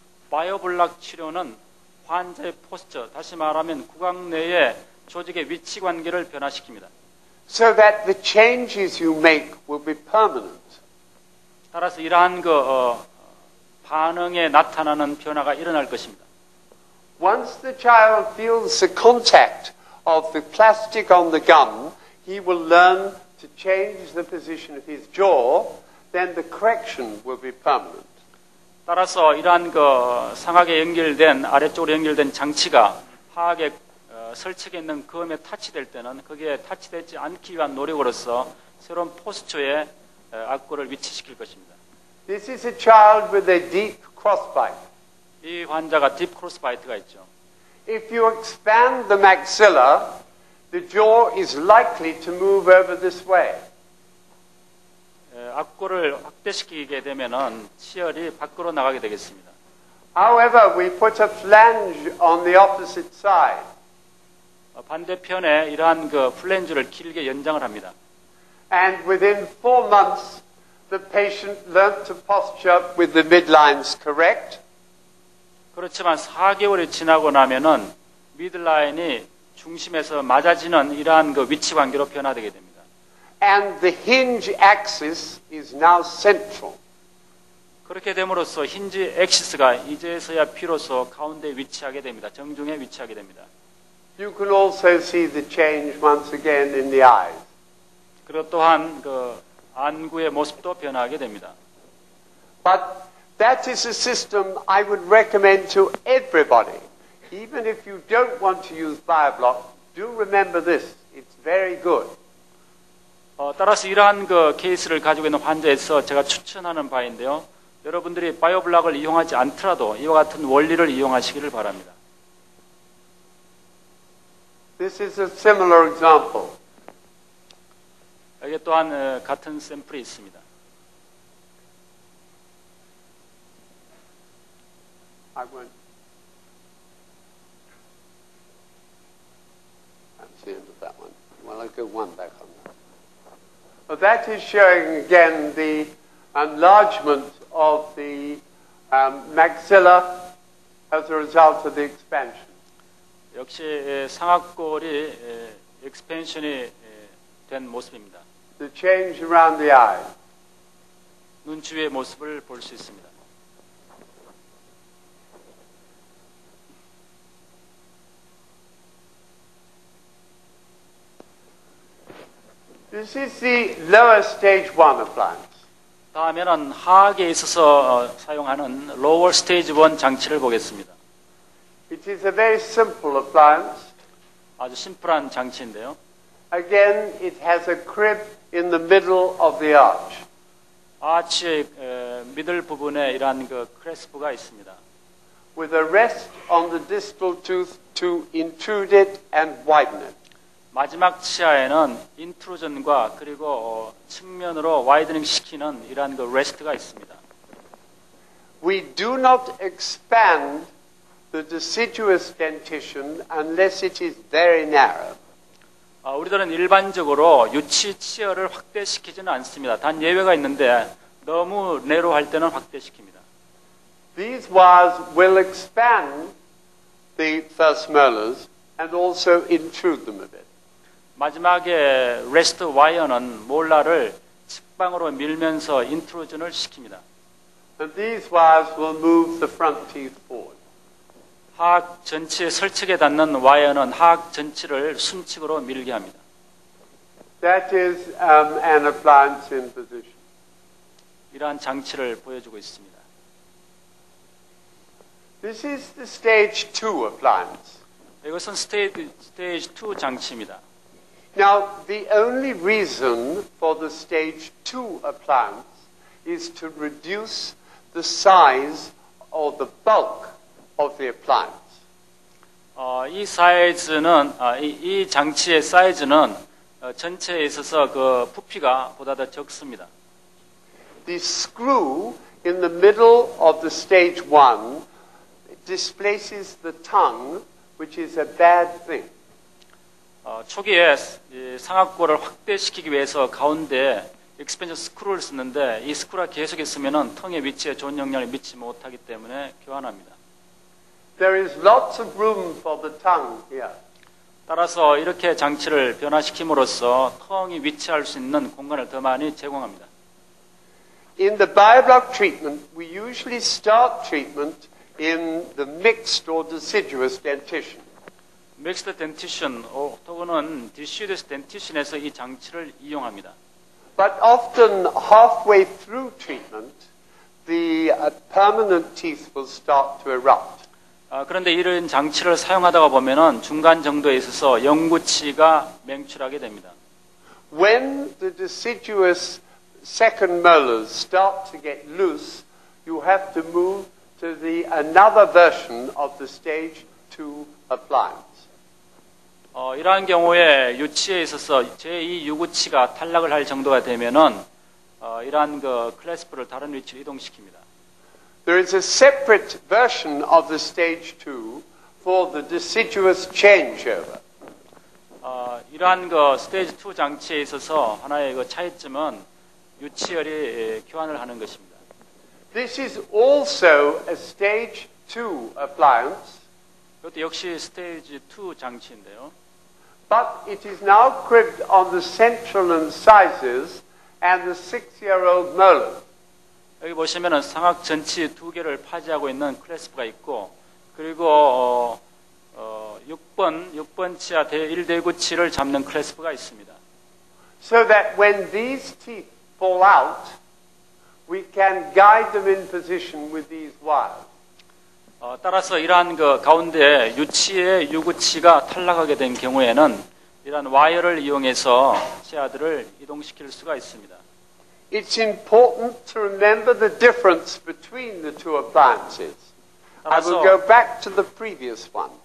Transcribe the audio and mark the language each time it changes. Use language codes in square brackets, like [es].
[ko] 바이오블락 치료는 환자의 포스처, 다시 말하면 구강 내의 조직의 위치 관계를 변화시킵니다. [en] So that the changes you make will be permanent. [ko] 따라서 이러한 그 반응에 나타나는 변화가 일어날 것입니다. [en] Once the child feels the contact of the plastic on the gum, he will learn to change the position of his jaw, then the correction will be permanent. [ko] 따라서 이러한 그 상악에 연결된 아래쪽으로 연결된 장치가 하악에 설치되어 있는 검에 터치될 때는 거기에 터치되지 않기 위한 노력으로서 새로운 포스처에 악구를 위치시킬 것입니다. [en] This is a child with a deep crossbite. [ko] 이 환자가 딥 크로스바이트가 있죠. [en] If you expand the maxilla, the jaw is likely to move over this way. [ko] 악구를 확대시키게 되면은 치열이 밖으로 나가게 되겠습니다. [en] However, we put a flange on the opposite side. [ko] 반대편에 이러한 그 플랜지를 길게 연장을 합니다. [en] And within 4 months, the patient learned to posture with the midlines correct. [ko] 그렇지만 4개월이 지나고 나면은 미들라인이 중심에서 맞아지는 이러한 그 위치 관계로 변화되게 됩니다. [en] And the hinge axis is now central. [ko] 그렇게 됨으로써 힌지 액시스가 이제서야 비로소 가운데 위치하게 됩니다. 정중에 위치하게 됩니다. [en] You can also see the change once again in the eyes. [ko] 그리고 또한 그 안구의 모습도 변화하게 됩니다. [en] But that is a system I would recommend to everybody. Even if you don't want to use BioBlock, do remember this. It's very good. [ko] 따라서 이러한 그 케이스를 가지고 있는 환자에서 제가 추천하는 바인데요. 여러분들이 BioBlock을 이용하지 않더라도 이와 같은 원리를 이용하시기를 바랍니다. [en] This is a similar example. [ko] 여기 또한 같은 샘플이 있습니다. [en] That's the end of that one. Well, I'll go one back on that. Well, that is showing again the enlargement of the maxilla as a result of the expansion. [ko] 역시 상악골이 expansion이 된 모습입니다. [en] The change around the eye. [ko] 눈 주위의 모습을 볼 수 있습니다. [en] This is the lower stage one appliance. [ko] 다음에는 하악에 있어서 사용하는 lower stage one 장치를 보겠습니다. [en] It is a very simple appliance. [ko] 아주 심플한 장치인데요. [en] Again, it has a crib in the middle of the arch. [ko] 아치의 middle 부분에 이러한 그 크레스프가 있습니다. [en] With a rest on the distal tooth to intrude it and widen it. [ko] 마지막 치아에는 인트루전과 그리고 측면으로 와이드닝 시키는 이러한 그 레스트가 있습니다. [en] We do not expand the deciduous dentition unless it is very narrow. [ko] 우리들은 일반적으로 유치 치아를 확대시키지는 않습니다. 단 예외가 있는데 너무 내로 할 때는 확대시킵니다. [en] These wires will expand the first molars and also intrude them a bit. [ko] 마지막에 레스트 와이어는 몰라를 측방으로 밀면서 인트루전을 시킵니다. [en] And these wires will move the front teeth forward. [ko] 하악 전치에 설치에 닿는 와이어는 하악 전치를 순측으로 밀게 합니다. [en] That is an appliance in position. [ko] 이러한 장치를 보여주고 있습니다. [en] This is the stage 2 appliance. [ko] 이것은 stage 2 장치입니다. [en] Now, the only reason for the stage 2 appliance is to reduce the size or the bulk of the appliance. [ko] 이 사이즈는, 이 장치의 사이즈는 전체에 있어서 그 부피가 보다 더 적습니다. [en] The screw in the middle of the stage 1 displaces the tongue, which is a bad thing. [ko] 초기에 상악골을 확대시키기 위해서 가운데 익스펜션 스크루를 쓰는데 이 스크루가 계속 있으면 텅의 위치에 좋은 영향을 미치지 못하기 때문에 교환합니다. [en] There is lots of room for the tongue here. [ko] 따라서 이렇게 장치를 변화시킴으로써 텅이 위치할 수 있는 공간을 더 많이 제공합니다. [en] In the bioblock treatment, we usually start treatment in the mixed or deciduous dentition. [ko] Mixed dentition, 혹은 deciduous dentition에서 이 장치를 이용합니다. [en] But often halfway through treatment, the permanent teeth will start to erupt. [ko] 그런데 이런 장치를 사용하다가 보면은 중간 정도에 있어서 영구치가 맹출하게 됩니다. [en] When the deciduous second molars start to get loose, you have to move to the another version of the stage 2 appliance. [ko] 이러한 경우에 유치에 있어서 제2 유구치가 탈락을 할 정도가 되면은 이러한 그 클래스프를 다른 위치로 이동시킵니다. [en] There is a separate version of the stage 2 for the deciduous changeover. [ko] 이러한 그 스테이지 2 장치에 있어서 하나의 그 차이점은 유치열이 교환을 하는 것입니다. [en] This is also a stage 2 appliance. [ko] 이것도 역시 스테이지 2 장치인데요. [en] But it is now cribbed on the central incisors and the 6-year-old molar. [ko] 여기 보시면은 상악 전치 두 개를 파지하고 있는 클래스프가 있고, 그리고 6번 치아 1대구치를 잡는 클래스프가 있습니다. [en] So that when these teeth fall out, we can guide them in position with these wires. [ko] 따라서 이러한 그 가운데 유치의 유구치가 탈락하게 된 경우에는 이러한 와이어를 이용해서 치아들을 이동시킬 수가 있습니다. [en] It's important to remember the difference between the two appliances. I will go back to the previous one.